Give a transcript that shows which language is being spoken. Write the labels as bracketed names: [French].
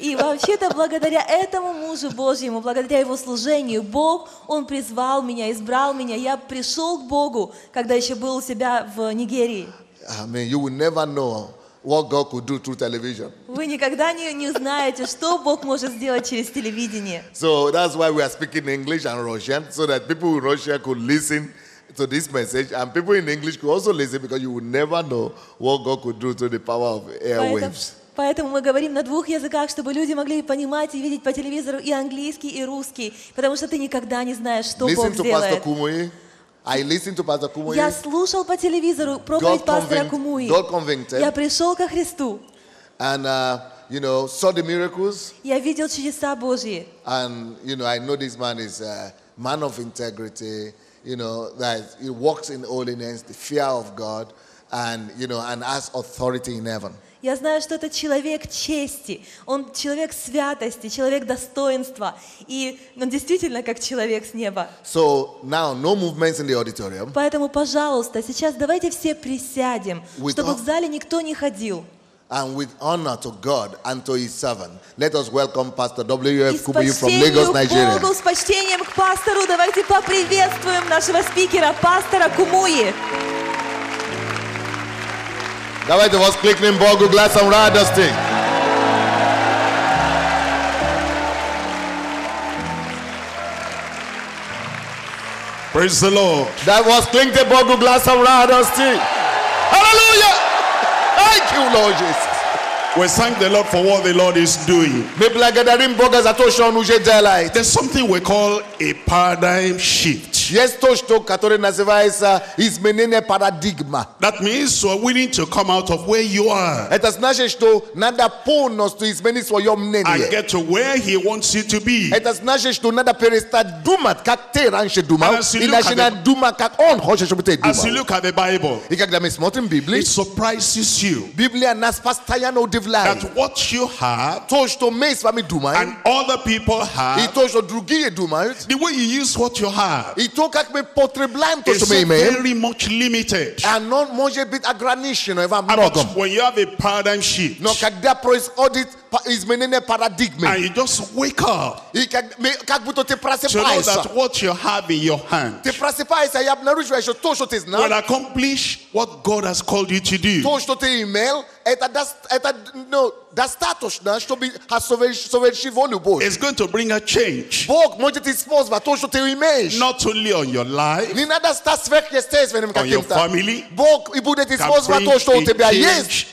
[Russian] И вообще-то благодаря этому мужу Божьему, благодаря его служению, Бог, он призвал меня, избрал меня. Я пришел к Богу, когда еще был у себя в Нигерии. [English] Amen. You will never know what God could do through television. [Russian] Вы никогда не знаете, что Бог может сделать через телевидение. [English] So that's why we are speaking English and Russian, so that people in Russia could listen to this message, and people in English could also listen, because you would never know what God could do through the power of airwaves. [Russian] Поэтому мы говорим на двух языках, чтобы люди могли понимать и видеть по телевизору и английский, и русский, потому что ты никогда не знаешь, что Бог сделает. [English] Listen to Pastor Kumuyi. I listened to Pastor Kumuyi. [Russian] Я слушал по телевизору проповедь пастора Кумуи. [English] God convicted. [Russian] Я пришел ко Христу. [English] And you know, saw the miracles. [Russian] Я видел чудеса Божьи. [English] And you know, I know this man is a man of integrity. You know, that he walks in holiness, the fear of God, and, you know, and has authority in heaven. [Russian] Я знаю, что это человек чести. Он человек святости, человек достоинства. И он действительно как человек с неба. [English] So now, no movements in the auditorium. [Russian] Поэтому, пожалуйста, сейчас давайте все присядем, чтобы в зале никто не ходил. [English] And with honor to God and to His servant, let us welcome Pastor W.F. Kumuyi from Lagos, Nigeria. [Russian] Богу, с почтением к пастору, давайте поприветствуем нашего спикера, пастора Кумуи. Давайте воскликнем Богу глазом радости. [English] Praise the Lord. [Russian] Давайте воскликнем Богу глазом радости. [English] Hallelujah! Thank you, Lord Jesus. We thank the Lord for what the Lord is doing. There's something we call a paradigm shift. [Russian] есть то, что которое называется изменение парадигмы. [English] That means you are willing to come out of where you are. [Russian] Это значит, что надо полностью изменить свое мнение. [English] And get to where he wants you to be. [Russian] Это значит, что надо перестать думать, как ты раньше думал, и начинать думать, как он хочет, чтобы ты думал. [English] As you look at the Bible, [Russian] и когда мы смотрим Библию, [English] it surprises you. [Russian] Библия нас постоянно удивляет. [English] That what you have, [Russian] то, что мы с вами думаем, [English] and other people have, [Russian] и то, что другие думают, [English] the way you use what you have, [Russian] и то, как мы потребляем то, что мы имеем, [English] very much limited. [Russian] Оно может быть ограничено, и вам много. [English] But when you have a paradigm shift, [Russian] но когда происходит изменение парадигмы, [English] and you just wake up, [Russian] и как будто ты просыпаешься, [English] to know that what you have in your hand, [Russian] ты просыпаешься, и обнаруживаешь, что то, что ты знаешь, [English] will accomplish what God has called you to do. [Russian] То, что ты имел, это достаточно, чтобы совершить волю Божью. [English] It's going to bring a change. [Russian] Бог может использовать то, что ты имеешь. [English] Not only on your life. [Russian] Не надо стать сверхъестественным каким-то. [English] On your family. [Russian] Бог и будет использовать то, что у тебя есть.